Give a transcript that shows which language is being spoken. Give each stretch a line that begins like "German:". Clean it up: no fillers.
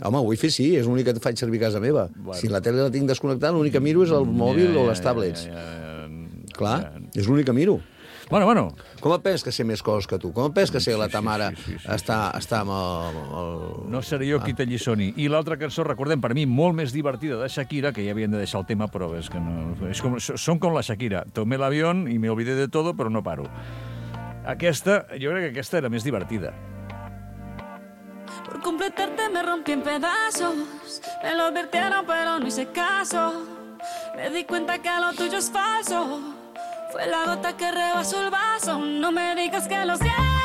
Catalan: Home, wifi sí, és l'únic que faig servir a casa meva. Bueno. Si la tele la tinc desconnectada, l'únic que miro és el mòbil o les tablets. Clar, és l'únic que miro. Bueno. Com et penses que sé més coses que tu? Com et penses que sé la ta mare està amb el... No seré jo qui t'allisoni. I l'altra cançó, recordem, per mi, molt més divertida de Shakira, que ja havien de deixar el tema, però és que no... Són com la Shakira.
Spanish: Tomé l'avión y me olvidé de todo, pero no paro.
Catalan: Aquesta, jo crec que aquesta era més divertida.
Spanish: Por completarte me rompí en pedazos. Me lo advirtieron, pero no hice caso. Me di cuenta que lo tuyo es falso. Fue la gota que rebasó el vaso. No me digas que lo sientes.